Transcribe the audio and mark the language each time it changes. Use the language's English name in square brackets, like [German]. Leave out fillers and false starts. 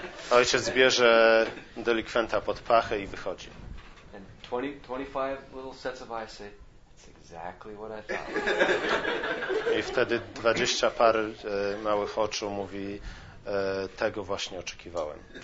[Polish] Ojciec bierze delikwenta pod pachę i wychodzi. [English] And 25 little sets of eyes say, that's exactly what I thought. [Polish] I wtedy 20 par małych oczu mówi, tego właśnie oczekiwałem.